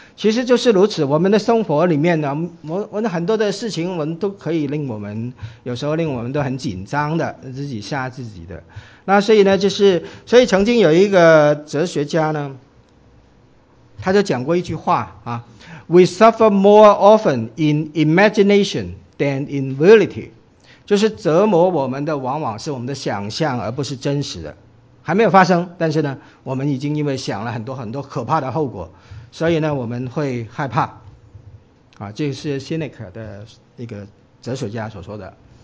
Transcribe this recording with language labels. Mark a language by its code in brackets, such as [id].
[zh] 其实就是如此，我们的生活里面呢，我们很多的事情，我们都可以令我们有时候令我们都很紧张的，自己吓自己的。那所以呢，就是所以曾经有一个哲学家呢，他就讲过一句话啊。 [en] We suffer more often in imagination than in reality. [zh] 就是折磨我们的往往是我们的想象，而不是真实的。还没有发生，但是呢，我们已经因为想了很多很多可怕的后果，所以呢，我们会害怕。啊，这是 Cynic 的那个哲学家所说的。